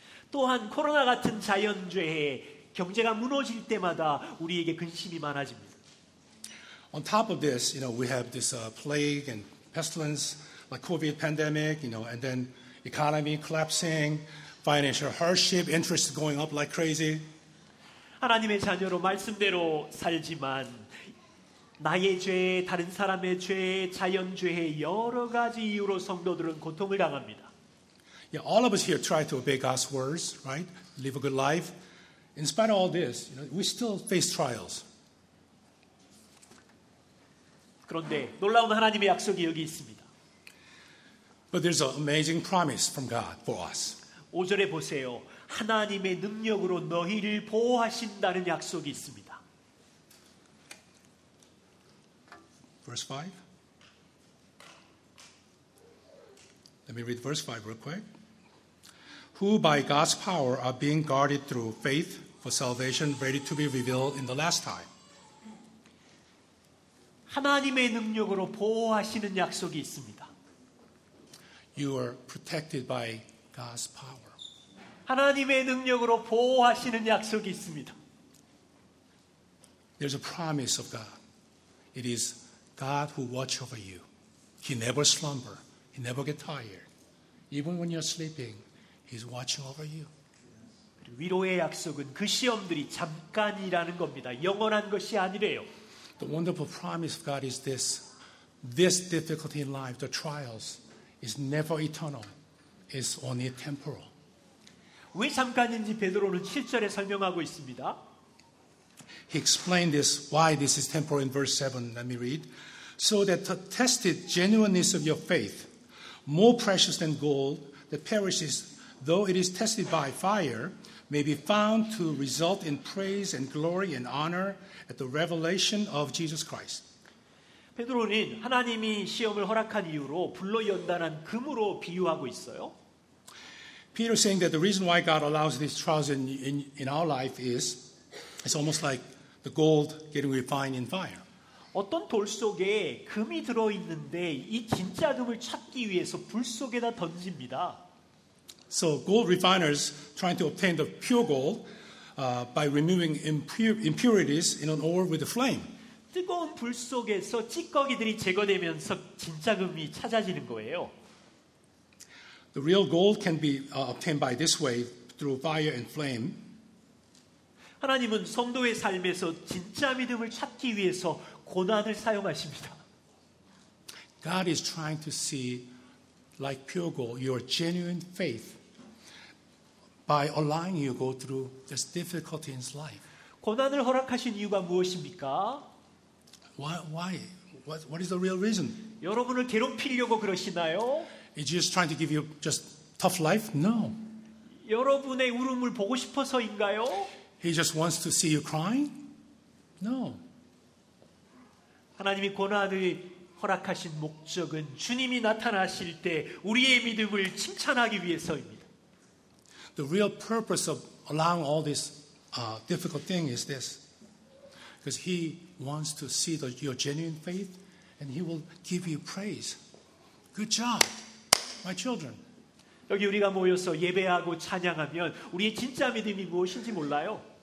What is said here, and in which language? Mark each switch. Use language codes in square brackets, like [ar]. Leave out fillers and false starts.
[ko] 또한 코로나 같은 자연재해, 경제가 무너질 때마다 우리에게 근심이 많아집니다. [en] On top of this, you know, we have this plague and pestilence, like COVID pandemic, you know, and then economy collapsing, financial hardship, interest going up like crazy. [ko] 하나님의 자녀로 말씀대로 살지만 나의 죄, 다른 사람의 죄, 자연죄의 여러 가지 이유로 성도들은 고통을 당합니다. [en] Yeah, all of us here try to obey God's words, right? Live a good life. In spite of all this, you know, we still face trials. [ko] 그런데 놀라운 하나님의 약속이 여기 있습니다. [en] But there's an amazing promise from God for us. [ko] 5절에 보세요. 하나님의 능력으로 너희를 보호하신다는 약속이 있습니다. [en] Verse 5. Let me read verse 5 real quick. Who by God's power are being guarded through faith for salvation ready to be revealed in the last time. [ko] 하나님의 능력으로 보호하시는 약속이 있습니다. [en] You are protected by God's power. [ko] 하나님의 능력으로 보호하시는 약속이 있습니다. [en] There's a promise of God. It is God who watches over you. He never slumber. He never get tired. Even when you're sleeping, He's watching over you. [ko] 위로의 약속은 그 시험들이 잠깐이라는 겁니다. 영원한 것이 아니래요. [en] The wonderful promise of God is this. This difficulty in life, the trials, is never eternal. It's only temporal. [ko] 왜 잠깐인지 베드로는 7절에 설명하고 있습니다. [en] He explained this, why this is temporal in verse 7. Let me read. So that the tested genuineness of your faith, more precious than gold that perishes, though it is tested by fire, may be found to result in praise and glory and honor at the revelation of Jesus Christ. [ko] 베드로는 하나님이 시험을 허락한 이유로 불로 연단한 금으로 비유하고 있어요. [en] Peter is saying that the reason why God allows these trials in our life is it's almost like the gold getting refined in fire. [ko] 어떤 돌 속에 금이 들어 있는데 이 진짜 금을 찾기 위해서 불 속에다 던집니다. [en] So gold refiners trying to obtain the pure gold by removing impurities in an ore with a flame. [ko] 뜨거운 불 속에서 찌꺼기들이 제거되면서 진짜 금이 찾아지는 거예요. [en] The real gold can be obtained by this way through fire and flame. [ko] 하나님은 성도의 삶에서 진짜 믿음을 찾기 위해서 고난을 사용하십니다. [en] God is trying to see like pure gold your genuine faith by allowing you go through this difficulty in life. [ko] 고난을 허락하신 이유가 무엇입니까? [en] Why? What is the real reason? [ko] 여러분을 괴롭히려고 그러시나요? [en] Is just trying to give you just tough life? No. [ko] 여러분의 울음을 보고 싶어서인가요? [en] He just wants to see you crying? No. [ko] 하나님이 고난을 허락하신 목적은 주님이 나타나실 때 우리의 믿음을 칭찬하기 위해서입니다. [en] The real purpose of allowing all this difficult thing is this. Because he wants to see your genuine faith and he will give you praise. Good job, my children. [ko] 여기 우리가 모여서 예배하고 찬양하면 우리의 진짜 믿음이 무엇인지 몰라요.